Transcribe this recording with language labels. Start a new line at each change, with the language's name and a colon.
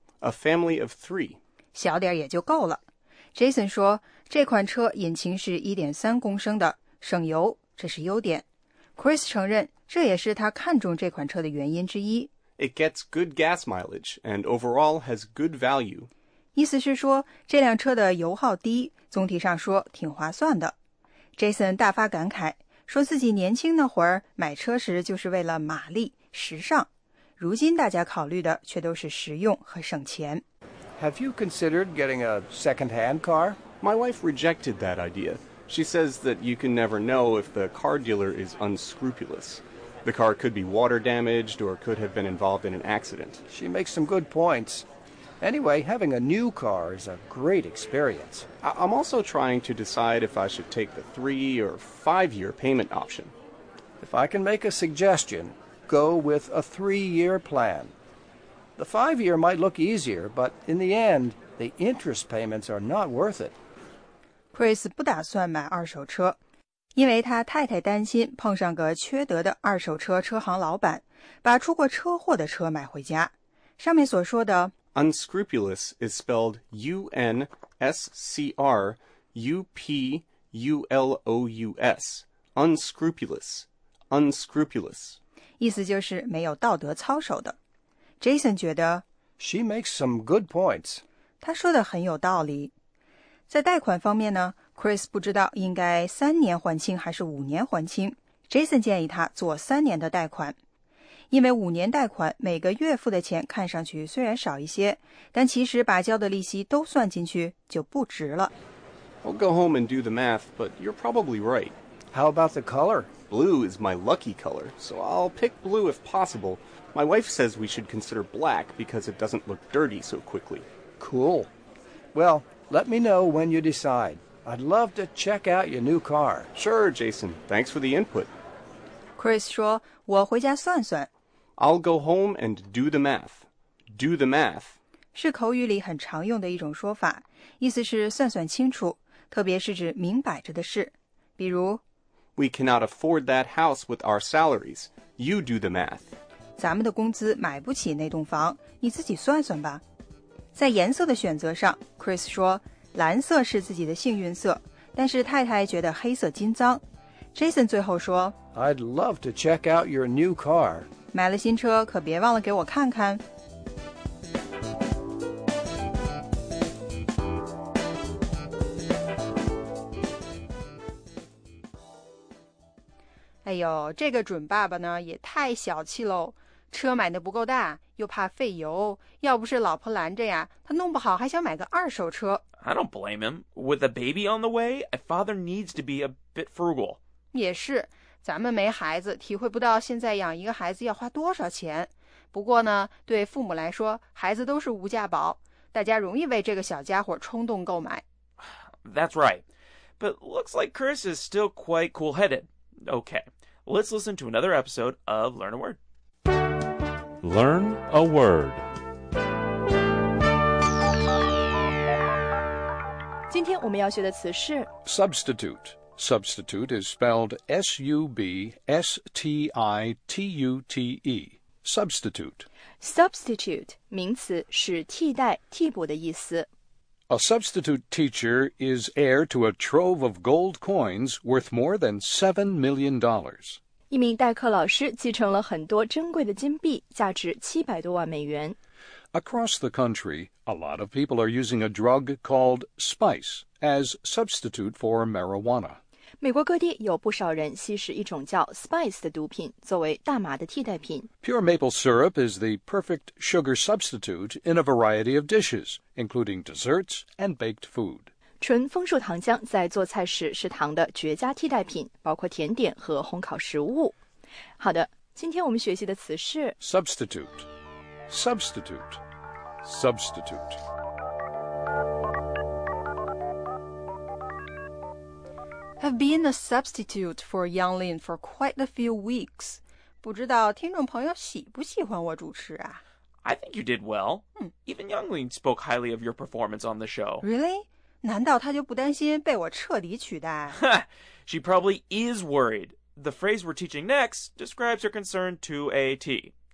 English: A family of three.
Chinese: 小点也就够了。Jason 说这款车引擎是 1.3 公升的省油这是优点。 Chris 承认这也是他看中这款车的原因之一。
English: It gets good gas mileage and overall has good value.
Chinese: 意思是说这辆车的油耗低总体上说挺划算的。 Jason 大发感慨说自己年轻那会儿买车时就是为了马力时尚。如今大家考虑的却都是实用和省钱。
English: Have you considered getting a second-hand car? My wife rejected that idea. She says that you can never know if the car dealer is unscrupulous. The car could be water damaged or could have been involved in an accident. She makes some good points. Anyway, having a new car is a great experience. I'm also trying to decide if I should take the 3- or 5-year payment option. If I can make a suggestion, go with a 3-year plan. The 5-year might look easier, but in the end, the interest payments are not worth it.
Chinese: Chris 不打算买二手车，因为他太太担心碰上个缺德的二手车车行老板，把出过车祸的车买回家。上面所说的
English: Unscrupulous is spelled U-N-S-C-R-U-P-U-L-O-U-S. Unscrupulous. Unscrupulous.
Chinese: 意思就是没有道德操守的。Jason 觉得
English: She makes some good points.
Chinese: 他说的很有道理。在贷款方面呢， Chris 不知道应该三年还清还是五年还清。 Jason 建议他做三年的贷款。因为五年贷款每个月付的钱看上去虽然少一些，但其实把交的利息都算进去就不值了。
English: I'll go home and do the math, but you're probably right. How about the color? Blue is my lucky color, so I'll pick blue if possible. My wife says we should consider black because it doesn't look dirty so quickly. Cool. Well, let me know when you decide. I'd love to check out your new car. Sure, Jason. Thanks for the input.
Chinese: Chris 说，我回家算算。
English: I'll go home and do the math. Do the math.
Chinese: 是口语里很常用的一种说法，意思是算算清楚，特别是指明摆着的事。比如
English: We cannot afford that house with our salaries. You do the math.
Chinese: 咱们的工资买不起那栋房，你自己算算吧。在颜色的选择上 ,Chris 说蓝色是自己的幸运色，但是太太觉得黑色金脏。 Jason 最后说
English: I'd love to check out your new car.
Chinese: 买了新车可别忘了给我看看。哎呦，这个准爸爸呢也太小气喽。车买的不够大，又怕费油，要不是老婆拦着呀，他弄不好还想买个二手车。
English: I don't blame him. With a baby on the way, a father needs to be a bit frugal.
Chinese: 也是，咱们没孩子，体会不到现在养一个孩子要花多少钱。不过呢，对父母来说，孩子都是无价宝，大家容易为这个小家伙冲动购买。
English: That's right. But looks like Chris is still quite cool-headed. Okay, let's listen to another episode of Learn a Word. Learn a word.
Chinese: 今天我们要学的词是
English: substitute. Substitute is spelled S-U-B-S-T-I-T-U-T-E. Substitute.
Chinese: Substitute 名词是替代、替补的意思。
English: A substitute teacher is heir to a trove of gold coins worth more than $7 million.
Chinese: 一名代课老师继承了很多珍贵的金币，价值700多万美元。
English: Across the country, a lot of people are using a drug called spice as substitute for marijuana.
Chinese: 美国各地有不少人吸食一种叫 spice 的毒品，作为大麻的替代品。
English: Pure maple syrup is the perfect sugar substitute in a variety of dishes, including desserts and baked food.
Chinese: 纯枫树糖浆在做菜时是糖的绝佳替代品，包括甜点和烘烤食物。好的，今天我们学习的词是
English: substitute, substitute, substitute. 've been a substitute for Yang Lin for quite a few weeks.
Chinese: 不知道听众朋友喜不喜欢我主持啊？
English: I think you did well. Even Yang Lin spoke highly of your performance on the show. Really?
Chinese: 难道他就不担心被我彻底取代？
English: She probably is worried. The phrase we're teaching next describes your concern to a T.